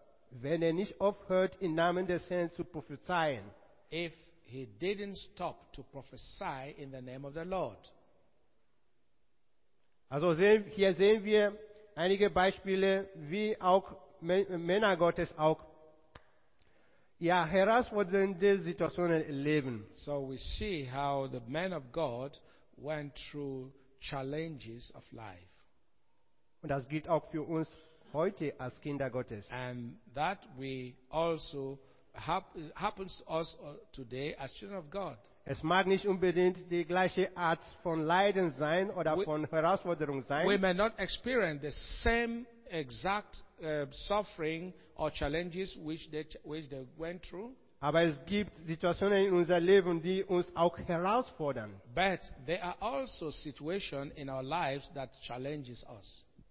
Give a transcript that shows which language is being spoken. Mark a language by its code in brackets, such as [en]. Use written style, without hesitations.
[de] Wenn er nicht aufhört, im Namen des Herrn zu prophezeien. [en] If he didn't stop to prophesy in the name of the Lord. [de] Also hier sehen wir einige Beispiele, wie auch Männer Gottes auch herausfordernde Situationen erleben. [en] So we see how the men of God went through challenges of life. [de] Und das gilt auch für uns heute als Kinder Gottes. [en] And that we also happens to us today as children of God. [de] Es mag nicht unbedingt die gleiche Art von Leiden sein oder von Herausforderung sein. [en] We may not experience the same exact suffering or challenges which they went through. [de] Aber es gibt Situationen in unser Leben, die uns auch herausfordern. [en] But there are also situations in our lives that challenges us.